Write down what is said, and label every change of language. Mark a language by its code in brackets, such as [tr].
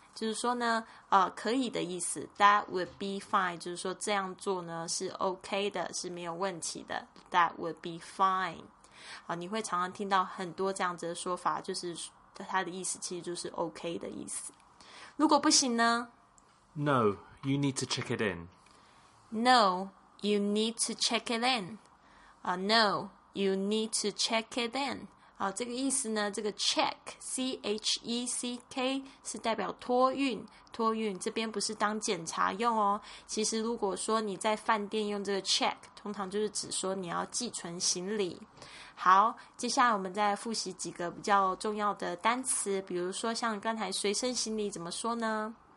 [zh] 就是说呢可以的意思。 [en] That would be fine [zh] 就是说这样做呢是 OK 的，是没有问题的。 [en] That would be fine. [zh] 好，你会常常听到很多这样子的说法，就是它的意思其实就是 OK 的意思。如果不行呢？ [en] No, you need to check it in. No, you need to check it in. No,You need to check it in. [zh] 好，这个意思呢，这个 check, C-H-E-C-K, 是代表托运，托运，这边不是当检查用哦。其实如果说你在饭店用这个 check, 通常就是指说你要寄存行李。好，接下来我们再复习几个比较重要的单词，比如说像刚才随身行李怎么说呢？